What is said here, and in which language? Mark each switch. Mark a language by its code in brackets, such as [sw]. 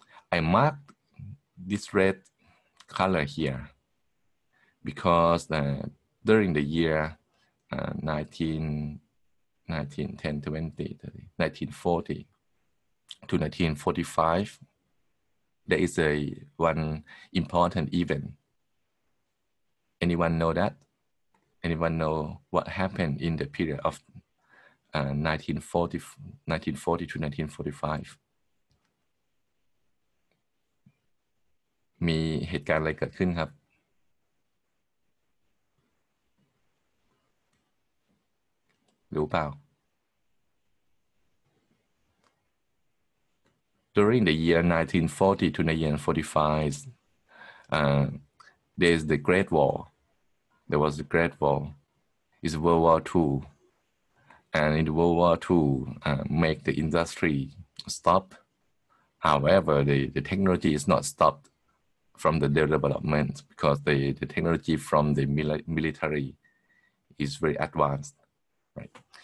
[en] I marked this red color here because during the year 1940 to 1945, there is one important event. Anyone know that? Anyone know what happened in the period of 1940 to 1945? [th] มีเหตุการณ์อะไรเกิดขึ้นครับรู้เปล่า [en] During the year 1940 to 1945, there is the Great War. There was the Great War. It's World War II. And in World War II, make the industry stop. However, the technology is not stopped from the development, because the technology from the military is very advanced, right?